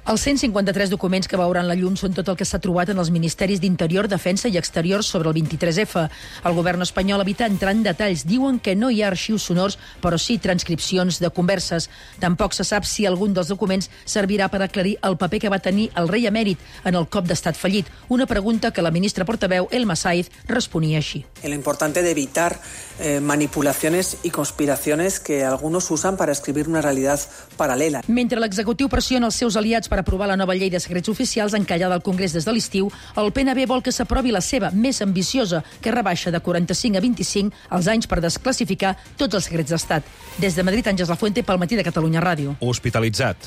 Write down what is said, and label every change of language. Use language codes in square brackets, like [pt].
[ca] Els 153 documents que veuran la llum són tot el que s'ha trobat en els ministeris d'Interior, Defensa i Exterior sobre el 23F. El govern espanyol evita entrar en detalls. Diuen que no hi ha arxius sonors, però sí transcripcions de converses. Tampoc se sap si algun dels documents servirà per aclarir el paper que va tenir el rei emèrit en el cop d'estat fallit. Una pregunta que la ministra portaveu, Elma Sáiz, responia així. [es] El importante de evitar manipulaciones y conspiraciones que algunos usan para escribir una realidad paralela. [ca] Mentre l'executiu pressiona els seus aliats per aprovar la nova llei de secrets oficials encallada al Congrés des de l'estiu, el PNB vol que s'aprovi la seva més ambiciosa, que rebaixa de 45 a 25 els anys per desclassificar tots els secrets d'estat. Des de Madrid, Àngels Lafuente, pel Matí de Catalunya Ràdio. Hospitalitzat.